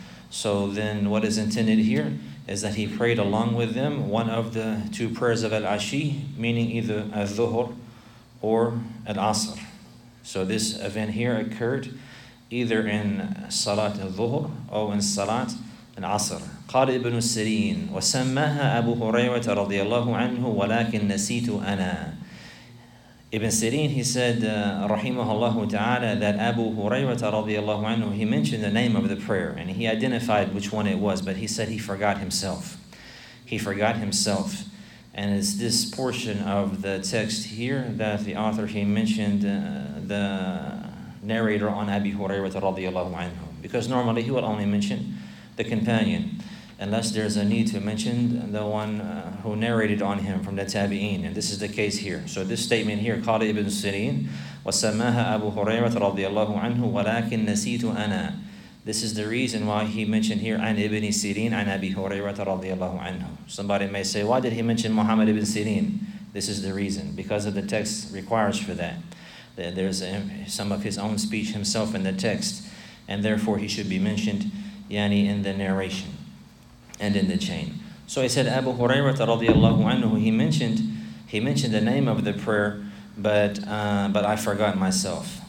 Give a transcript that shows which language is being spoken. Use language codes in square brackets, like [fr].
[en] So then what is intended here is that he prayed along with them one of the two prayers of Al-Ashi, meaning either Al-Dhuhr or Al-Asr. So this event here occurred either in Salat Al-Dhuhr or in Salat Al-Asr. [ar] قال ابن سيرين وسماها أبو هريرة رضي الله عنه ولكن نسيت أنا. [en] Ibn Sirin, he said, Rahimahullah ta'ala, that Abu Hurairah radiallahu anhu, he mentioned the name of the prayer and he identified which one it was, but he said he forgot himself. He forgot himself. And it's this portion of the text here that the author, he mentioned the narrator on Abu Hurairah radiallahu anhu. Because normally he would only mention the companion, unless there's a need to mention the one who narrated on him from the Tabi'een. And this is the case here. So this statement here, [ar] قال ابن سيرين وسماها أبو هريرة رضي الله عنه ولكن نسيت أنا. [en] This is the reason why he mentioned here [ar] عن ابن سيرين عن أبي هريرة رضي الله عنه. [en] Somebody may say, why did he mention Muhammad ibn Sirin? This is the reason, because of the text requires for that. There's some of his own speech himself in the text, and therefore he should be mentioned يعني in the narration and in the chain. So he said Abu Hurairah radiallahu anhu, he mentioned the name of the prayer, but I forgot myself.